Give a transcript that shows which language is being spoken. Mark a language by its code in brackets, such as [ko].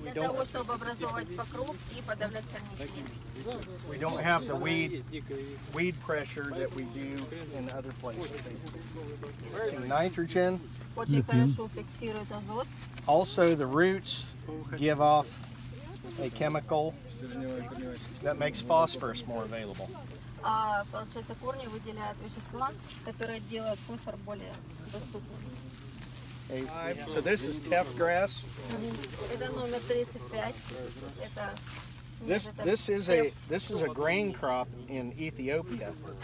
[ru] Для того, чтобы образовывать покров и подавлять корневищники. [en] We don't have the weed pressure that we do in other places. Some nitrogen. [ru] Очень хорошо фиксирует азот. [en] Also, the roots give off a chemical that makes phosphorus more available. [ru] Получается, корни выделяют вещества, которые делают фосфор более доступным. [en] So this is teff grass. [ru] Это номер 35. Это [en] This is a grain crop in Ethiopia.